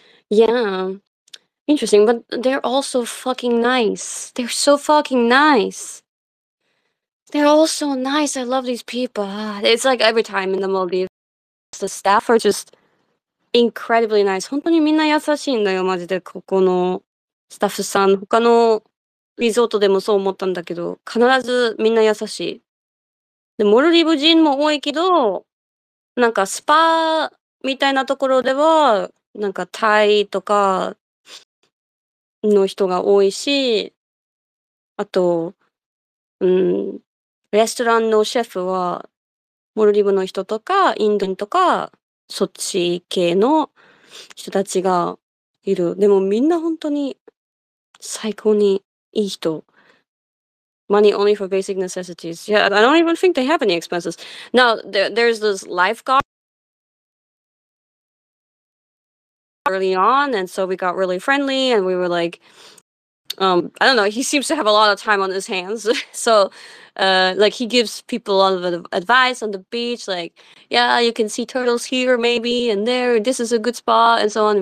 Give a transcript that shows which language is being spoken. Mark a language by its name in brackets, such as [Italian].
[English] Yeah. Interesting, but they're all so fucking nice. They're so fucking nice. They're all so nice. I love these people. It's like every time in the Maldives, the staff are just incredibly nice. [Japanese] 本当にみんな優しいんだよ、マジで。ここのスタッフさん。他のリゾートでもそう思ったんだけど、必ずみんな優しい。で、モルディブ人も多いけど、なんかスパみたいなところでは、なんかタイとか、の人が多いし、あと、レストランのシェフは、モルディブの人とか、インドとか、そっち系の人たちがいる。でもみんな本当に最高にいい人。 [English] Money only for basic necessities. Yeah, I don't even think they have any expenses. Now, there's this lifeguard early on, and so we got really friendly, and we were like, I don't know, he seems to have a lot of time on his hands. So, like, he gives people a lot of advice on the beach, like, yeah, you can see turtles here, maybe, and there, this is a good spot, and so on.